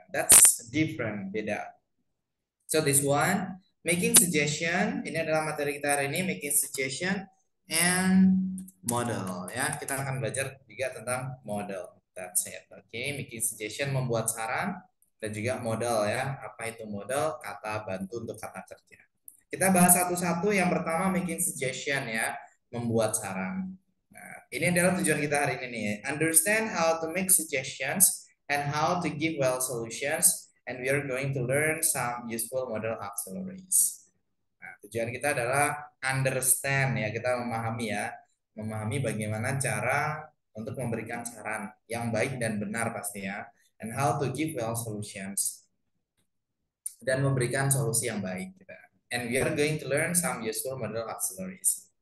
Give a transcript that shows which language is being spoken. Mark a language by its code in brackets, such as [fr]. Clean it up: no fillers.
[en] That's different, [id] beda. [en] So this one, making suggestion, [id] ini adalah materi kita hari ini, [en] making suggestion and model [id] ya, kita akan belajar juga tentang model. [en] That's it. [id] Okay, making suggestion, membuat saran, dan juga model ya. Apa itu model? Kata bantu untuk kata kerja. Kita bahas satu-satu. Yang pertama making suggestion ya, membuat saran. Nah, ini adalah tujuan kita hari ini nih. [en] Understand how to make suggestions and how to give well solutions, and we are going to learn some useful model auxiliaries. [id] Nah, tujuan kita adalah understand ya, kita memahami ya. Memahami bagaimana cara untuk memberikan saran yang baik dan benar pastinya, [en] and how to give well solutions [id] dan memberikan solusi yang baik. [en] And we are going to learn some useful model auxiliaries.